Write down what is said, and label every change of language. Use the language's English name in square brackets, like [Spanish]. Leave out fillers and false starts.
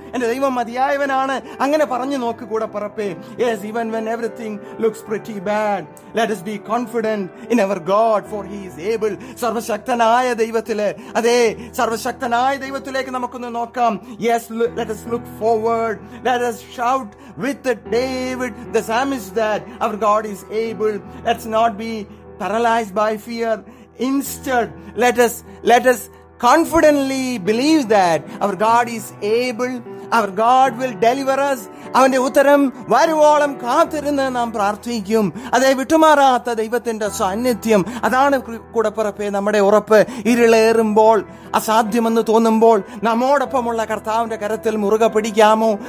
[Malayalam] എന്റെ ദൈവം മതിയായവനാണ്. അങ്ങനെ പറഞ്ഞു നോക്ക് കൂടെ പറപ്പേ. [English] Yes, even when everything looks pretty bad, let us be confident in our God, for he is able. [Malayalam] സർവശക്തനായ ദൈവത്തിലെ, അതെ, സർവശക്തനായ ദൈവത്തിലേക്ക് നമുക്കൊന്ന് നോക്കാം. [English] Yes, let us look forward, let us shout with David the psalmist that our God is able. Let's not be paralyzed by fear. Instead, let us confidently believe that our God is able. Our God will deliver us. [Malayalam] അവന്റെ ഉത്തരം വരുവോളം കാത്തിരുന്ന് നാം പ്രാർത്ഥിക്കും. അതേ, വിട്ടുമാറാത്ത ദൈവത്തിന്റെ സാന്നിധ്യം, അതാണ് കൂടപ്പുറപ്പെ നമ്മുടെ ഉറപ്പ്. ഇരുളേറുമ്പോൾ, അസാധ്യമെന്ന് തോന്നുമ്പോൾ നമ്മോടൊപ്പമുള്ള കർത്താവിന്റെ കരത്തിൽ മുറുകെ പിടിക്കാമോ?